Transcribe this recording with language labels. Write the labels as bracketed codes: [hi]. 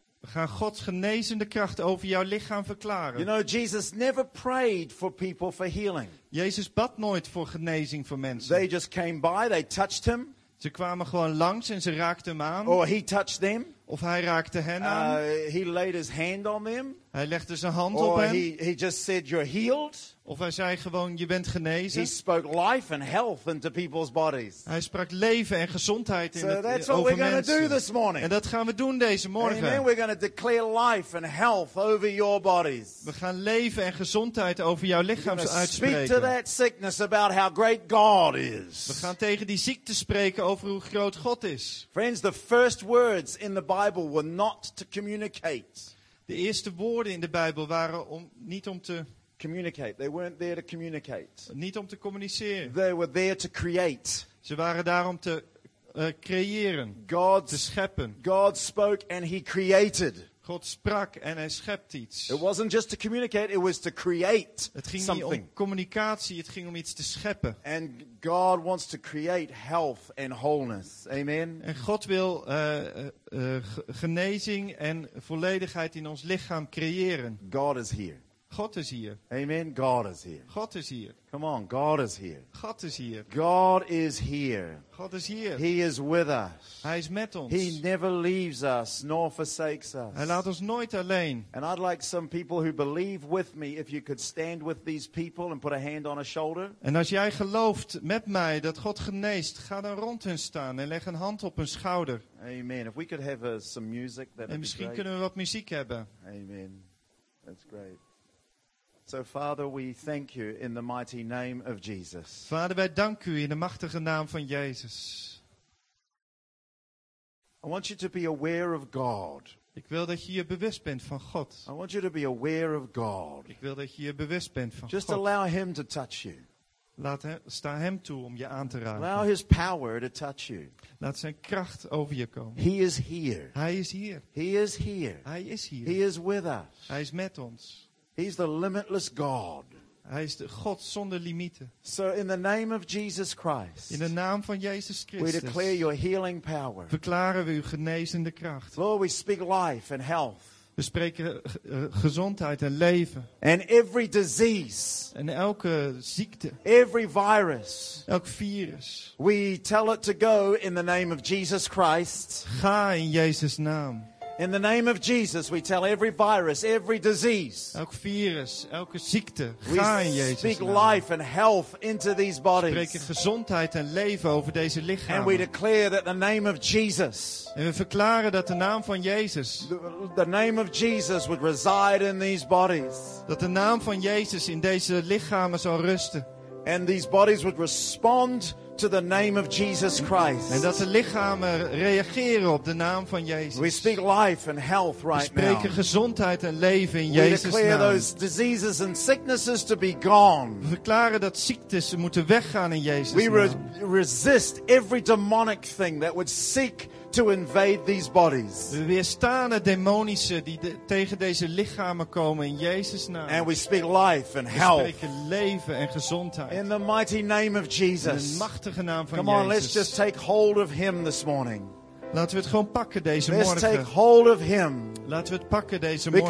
[nl] We gaan Gods genezende kracht over jouw lichaam verklaren. [en] You know, Jesus never prayed for people for healing. [nl] Jezus bad nooit voor genezing voor mensen. [en] They just came by, they touched him. [nl] Ze kwamen gewoon langs en ze raakten hem aan. [en] Or he touched them. [nl] Of hij raakte hen aan. [en] He laid his hand on them. [nl] Hij legde zijn hand [en] or [nl] op hen. [en] He just said, you're healed. [nl] Of hij zei gewoon, je bent genezen. [en] He spoke life and health into people's bodies. [nl] Hij sprak leven en gezondheid in het, over mensen. [en] We're gonna do this morning. [nl] En dat gaan we doen deze morgen. [en] Amen. We're gonna declare life and health over your bodies. [nl] We gaan leven en gezondheid over jouw lichaam uitspreken. [en] Speak to that sickness about how great God is. [nl] We gaan tegen die ziekte spreken over hoe groot God is. [en] Friends, the first words in the Bible were not to communicate. [nl] De eerste woorden in de Bijbel waren om niet om te [en] communicate. They weren't there to communicate. [nl] Niet om te communiceren. [en] They were there to create. [nl] Ze waren daar om te creëren. [en] God's, [nl] te scheppen. [en] God spoke and he created. [nl] God sprak en hij schept iets. [en] It wasn't just to communicate, it was to create. [nl] Het ging [en] something. [nl] Niet om communicatie, het ging om iets te scheppen. [en] And God wants to create health and wholeness. Amen. [nl] En God wil genezing en volledigheid in ons lichaam creëren. [en] God is here. [nl] God is hier. [en] Amen. God is here. [nl] God is hier. [en] Come on, God is here. [nl] God is hier. [en] God is here. [nl] God is hier. [en] He is with us. [nl] Hij is met ons. [en] He never leaves us nor forsakes us. [nl] Hij laat ons nooit alleen. [en] And I'd like some people who believe with me if you could stand with these people and put a hand on a shoulder. [nl] En als jij gelooft met mij dat God geneest, ga dan rond hen staan en leg een hand op hun schouder. [en] Amen. If we could have some music, that'd be great. [nl] En misschien kunnen we wat muziek hebben. [en] Amen. That's great. So Father, we thank you in the mighty name of Jesus. [nl] Vader, wij danken u in de machtige naam van Jezus. [en] I want you to be aware of God. [nl] Ik wil dat je je bewust bent van God. [en] I want you to be aware of God. [nl] Ik wil dat je je bewust bent van God. [en] Just allow him to touch you. [nl] Laat sta hem toe om je aan te raken. [en] Allow his power to touch you. [nl] Laat zijn kracht over je komen. [en] He is here. [nl] Hij is hier. [en] He is here. [nl] Hij is hier. [en] He is with us. [nl] Hij is met ons. [en] He's the limitless God. [nl] Hij is de God zonder limieten. [en] So in the name of Jesus Christ. [nl] In de naam van Jezus Christus. [en] We declare your healing power. [nl] Verklaren we uw genezende kracht. [en] Lord, we speak life and health. [nl] We spreken gezondheid en leven. [en] And every disease. [nl] En elke ziekte. [en] Every virus. [nl] Elk virus. [en] We tell it to go in the name of Jesus Christ. [nl] Ga in Jezus naam. [en] In the name of Jesus, we tell every virus, every disease. [nl] Elk virus, elke ziekte, we ga in Jezus. [en] Speak life and health into these bodies. [nl] We spreken gezondheid en leven over deze lichamen. [en] And we declare that the name of Jesus. [nl] En we verklaren dat de naam van Jezus. [en] The name of Jesus would reside in these bodies. [nl] Dat de naam van Jezus in deze lichamen zou rusten. [en] And these bodies would respond to the name of Jesus Christ. [nl] En dat de lichamen reageren op de naam van Jezus. [en] We speak life and health right now. [nl] We spreken [en] now. [nl] Gezondheid en leven in Jezus naam. [en] We declare those diseases and sicknesses to be gone. [nl] We verklaren dat ziektes moeten weggaan in Jezus we naam. [en] We resist every demonic thing that would seek to invade these bodies. [nl] We weerstaan het demonische die tegen deze lichamen komen in Jezus naam. [en] And we speak life and health. [nl] We spreken leven en gezondheid. [en] In the mighty name of Jesus. [nl] In de machtige naam van Jezus. [en] Come on, let's just take hold of him this morning. [nl] Laten we het gewoon pakken deze morgen. [en] Let's take hold of him. [nl] Laten we het pakken deze morgen.